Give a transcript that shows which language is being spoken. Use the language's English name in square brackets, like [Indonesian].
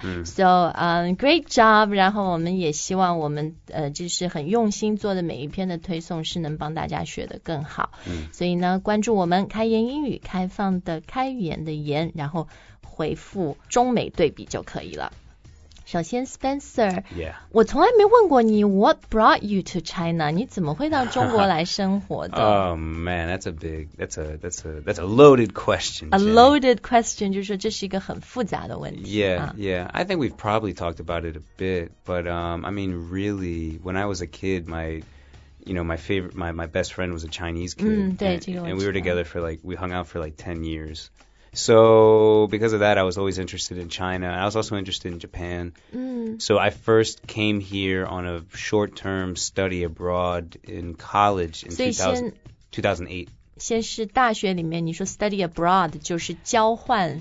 [English] Great job, [Chinese] 然后我们也希望我们就是很用心做的每一篇的推送是能帮大家学得更好。所以呢关注我们开言英语开放的开言的言然后回复中美对比就可以了。首先 Spencer、我从来没问过你 [English] What brought you to China? [Chinese] 你怎么会到中国来生活的 [English] Oh man, that's a loaded question. A loaded question, [Chinese] 就是说这是一个很复杂的问题。 [English] I think we've probably talked about it a bit, but I mean really, when I was a kid, my best friend was a Chinese kid. [Chinese] 对 [English] and we were together for like, we hung out for like 10 years. So because of that, I was always interested in China. I was also interested in Japan. So I first came here on a short-term study abroad in college in 2008. [Chinese] 先是大学里面你说 [English] study abroad [Chinese] 就是交换。